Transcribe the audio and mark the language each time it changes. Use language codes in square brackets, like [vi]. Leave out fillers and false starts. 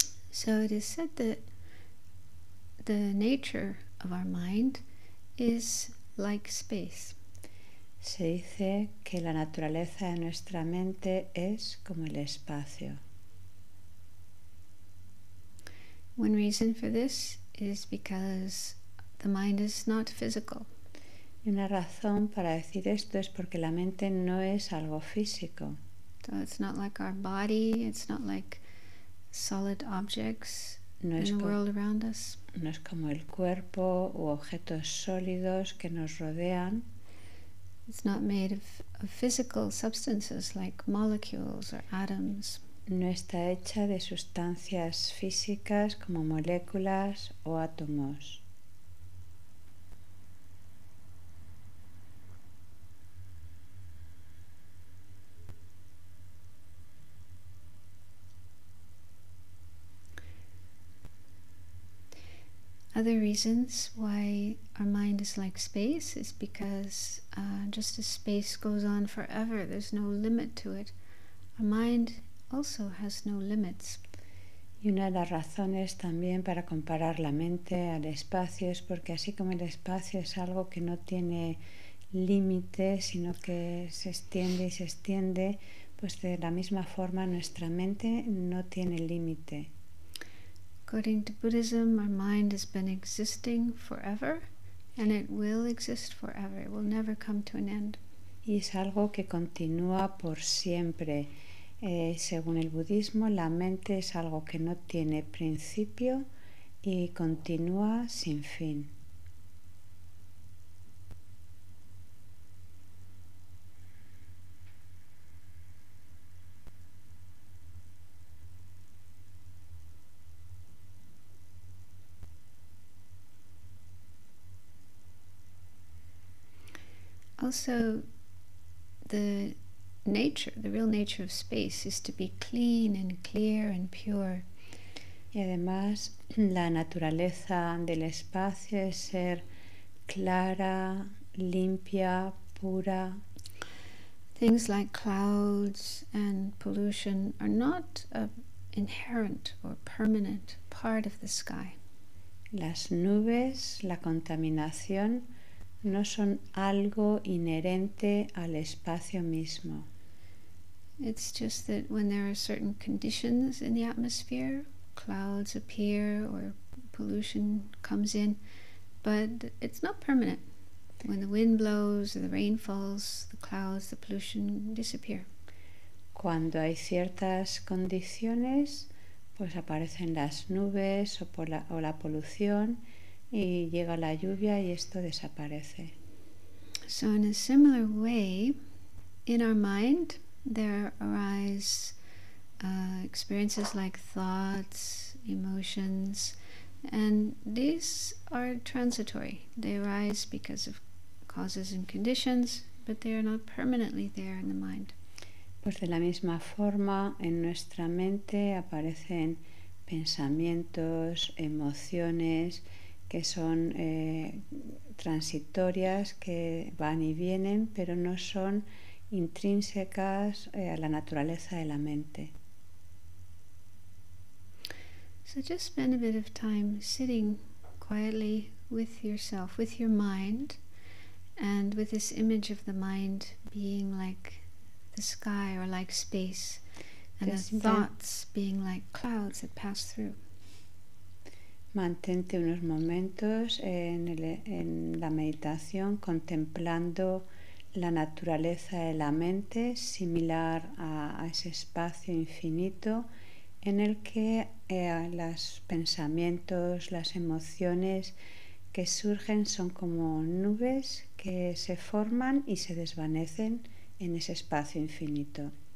[en] So it is said that the nature of our mind is like space. [es] Se dice que la naturaleza de nuestra mente es como el espacio. [en] One reason for this is because the mind is not physical. [es] Y una razón para decir esto es porque la mente no es algo físico. [en] So it's not like our body, it's not like solid objects no in the world around us. [es] No es como el cuerpo u objetos sólidos que nos rodean. [en] It's not made of physical substances like molecules or atoms. [es] No está hecha de sustancias físicas como moléculas o átomos. [en] Other reasons why our mind is like space is because just as space goes on forever, there's no limit to it. Our mind also has no limits. [es] Y una de las razones también para comparar la mente al espacio es porque así como el espacio es algo que no tiene límites, sino que se extiende y se extiende, pues de la misma forma nuestra mente no tiene límite. [en] According to Buddhism, our mind has been existing forever, and it will exist forever. It will never come to an end. [es] Y es algo que continúa por siempre. Según el budismo, la mente es algo que no tiene principio y continúa sin fin. [en] Also, the nature, the real nature of space is to be clean and clear and pure. [es] Y además, la naturaleza del espacio es ser clara, limpia, pura. [en] Things like clouds and pollution are not an inherent or permanent part of the sky. [es] Las nubes, la contaminación, no son algo inherente al espacio mismo. [en] It's just that when there are certain conditions in the atmosphere, clouds appear or pollution comes in, but it's not permanent. When the wind blows or the rain falls, the clouds, the pollution disappear. [es] Cuando hay ciertas condiciones, pues aparecen las nubes o la polución, y llega la lluvia y esto desaparece. [en] So in a similar way, in our mind there arise experiences like thoughts, emotions, and these are transitory. They arise because of causes and conditions, but they are not permanently there in the mind. [es] Pues de la misma forma, en nuestra mente aparecen pensamientos, emociones que son transitorias, que van y vienen, pero no son intrínsecas a la naturaleza de la mente. [en] So just spend a bit of time sitting quietly with yourself, with your mind, and with this image of the mind being like the sky or like space, and the thoughts being like clouds that pass through. [es] Mantente unos momentos en la meditación contemplando la naturaleza de la mente, similar a ese espacio infinito en el que los pensamientos, las emociones que surgen son como nubes que se forman y se desvanecen en ese espacio infinito.